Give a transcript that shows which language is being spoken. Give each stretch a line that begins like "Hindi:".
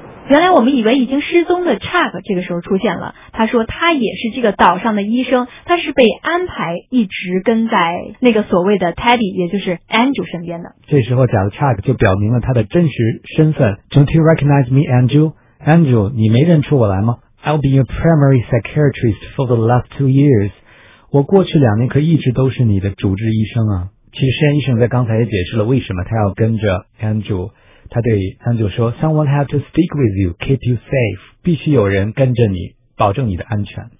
Chinese: 原来我们以为已经失踪的 Chuck 这个时候出现了，他说他也是这个岛上的医生，他是被安排一直跟在那个所谓的 Teddy 也就是 Andrew 身边的。这时候假的 Chuck 就表明了他的真实身份。 Don't you recognize me, Andrew? Andrew, 你没认出我来吗？
English: I'll be your primary psychiatrist for the last 2 years.
Chinese: 我过去两年可一直都是你的主治医生啊。其实实验医生在刚才也解释了为什么他要跟着 Andrew。他对 Andrew 说 Someone had to stick with you, keep you safe. 必须有人跟着你，保证你的安全。